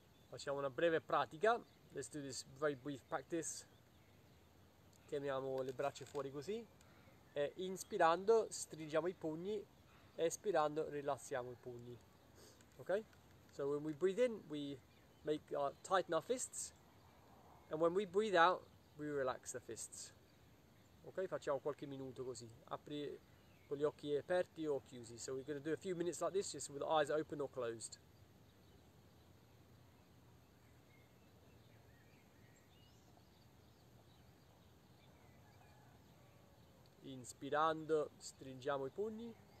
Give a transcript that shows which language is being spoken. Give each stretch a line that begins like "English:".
Italian: Facciamo una breve pratica.
English: Let's do this very brief practice.
Italian: Teniamo le braccia fuori così, e inspirando stringiamo i pugni, e espirando rilassiamo i pugni. Ok?
English: So when we breathe in, we make our, tighten our fists, and when we breathe out, we relax the fists. Ok?
Italian: Facciamo qualche minuto così, apri con gli occhi aperti o chiusi.
English: So we're going to do a few minutes like this, just with the eyes open or closed.
Italian: Inspirando, stringiamo i pugni.